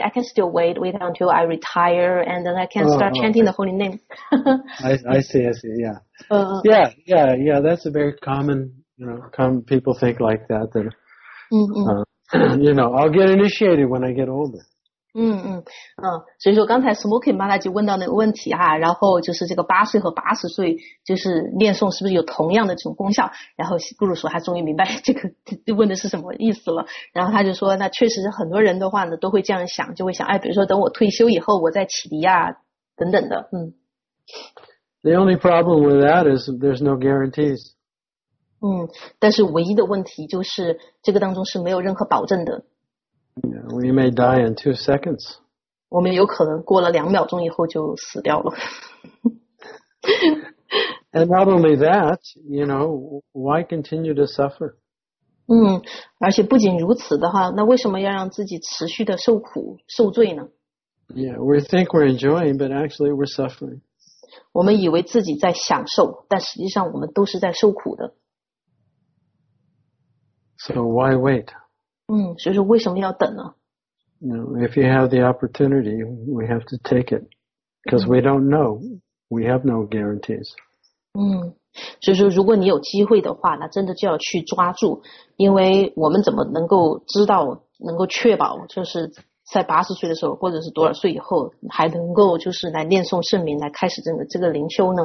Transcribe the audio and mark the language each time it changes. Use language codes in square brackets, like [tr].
[en] I can still wait until I retire and then I can start chanting the holy name. I see. Yeah. Yeah. That's a very common, you know, people think like that. You know, I'll get initiated when I get older. [zh] 所以说刚才 Smoking Mataji 问到那个问题啊，然后就是这个8岁和80岁就是念诵是不是有同样的这种功效，然后 Guru 说他终于明白这个问的是什么意思了，然后他就说那确实很多人的话呢都会这样想，就会想哎，比如说等我退休以后我再启迪啊等等的。 [en] The only problem with that is there's no guarantees. [zh] 但是唯一的问题就是这个当中是没有任何保证的。 [en] Yeah, we may die in 2 seconds. [zh] 我们有可能过了两秒钟以后就死掉了。 [en] And not only that, you know, why continue to suffer? [zh] 而且不仅如此的话，那为什么要让自己持续的受苦受罪呢？ [en] Yeah, we think we're enjoying, but actually we're suffering. [zh] 我们以为自己在享受，但实际上我们都是在受苦的。 [en] So why wait? [zh] 嗯，所以说为什么要等呢？ [en] If you have the opportunity, we have to take it. Because we don't know. We have no guarantees. [zh] 嗯，所以说如果你有机会的话，那真的就要去抓住，因为我们怎么能够知道，能够确保就是在80岁的时候或者是多少岁以后还能够就是来念诵圣名来开始这个灵修呢？